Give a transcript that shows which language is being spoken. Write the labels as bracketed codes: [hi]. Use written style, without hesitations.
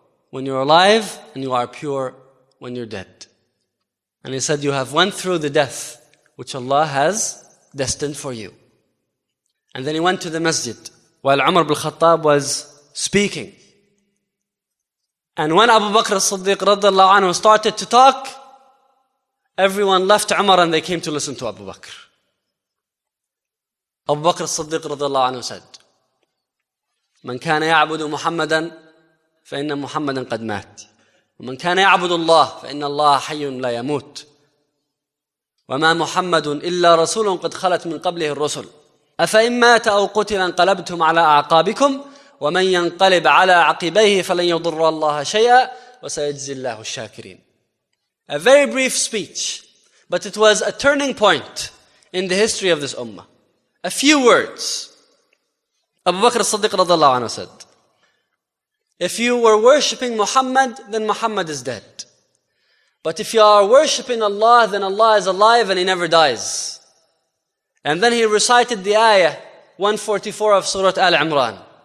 [en] When you're alive, and you are pure when you're dead. And he said, you have went through the death which Allah has destined for you. And then he went to the masjid while Umar ibn Khattab was speaking. And when Abu Bakr as-Siddiq radiallahu anhu started to talk, everyone left Umar and they came to listen to Abu Bakr. Abu Bakr as-Siddiq radiallahu anhu said, [ar] من كان يعبد محمدا فإن محمدا قد مات ومن كان يعبد الله فإن الله حي لا يموت وما محمد إلا رسول قد خلت من قبله الرسل أفإن مات أو قتل انقلبتم على أعقابكم ومن ينقلب على عقبيه فلن يضر الله شيئا وسيجزي الله الشاكرين [en] A very brief speech, but it was a turning point in the history of this ummah. A few words. Abu Bakr as-Siddiq رضي الله عنه said, If you were worshipping Muhammad, then Muhammad is dead. But if you are worshipping Allah, then Allah is alive and He never dies. And then he recited the ayah 144 of Surah Al-Imran.